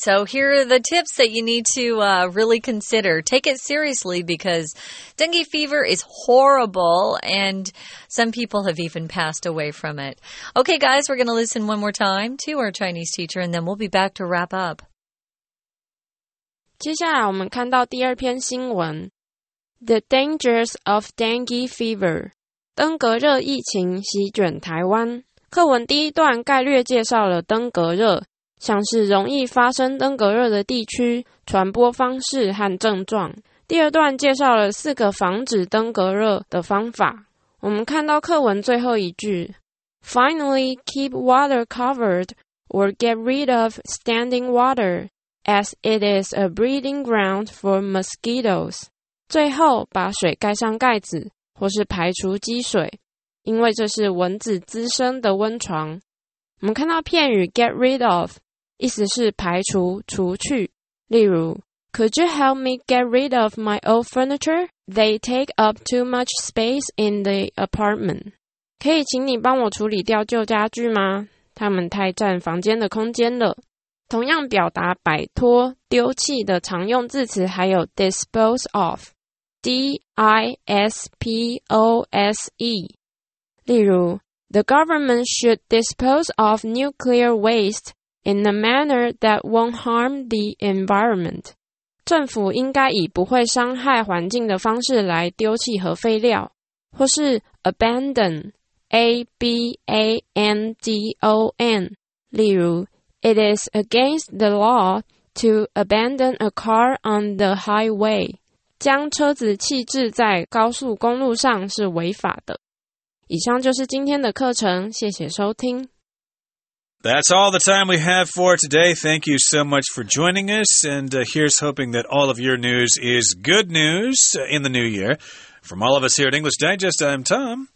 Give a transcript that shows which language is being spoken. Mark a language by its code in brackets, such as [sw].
[en] So here are the tips that you need to really consider. Take it seriously because dengue fever is horrible and some people have even passed away from it. Okay, guys, we're going to listen one more time to our Chinese teacher and then we'll be back to wrap up. [zh] 接下来我们看到第二篇新闻。 [en] The dangers of dengue fever. [zh] 登革热疫情席卷台湾。课文第一段概略介绍了登革热，像是容易发生登革热的地区、传播方式和症状。第二段介绍了四个防止登革热的方法。我们看到课文最后一句 [en] Finally, keep water covered or get rid of standing water as it is a breeding ground for mosquitoes. [zh] 最后把水盖上盖子或是排除积水，因为这是蚊子滋生的温床。我们看到片语 get rid of， 意思是排除、除去。例如 [en] ，Could you help me get rid of my old furniture? They take up too much space in the apartment. [zh] 可以请你帮我处理掉旧家具吗？它们太占房间的空间了。同样表达摆脱、丢弃的常用字词还有 dispose of， D-I-S-P-O-S-E。例如 [en] ,The government should dispose of nuclear waste in a manner that won't harm the environment. [zh] 政府应该以不会伤害环境的方式来丢弃核废料。或是 abandon, A-B-A-N-D-O-N. 例如 [en] ,It is against the law to abandon a car on the highway. [zh] 将车子弃置在高速公路上是违法的。以上就是今天的课程，谢谢收听。 [en] That's all the time we have for today. Thank you so much for joining us, and here's hoping that all of your news is good news in the new year. From all of us here at English Digest, I'm Tom.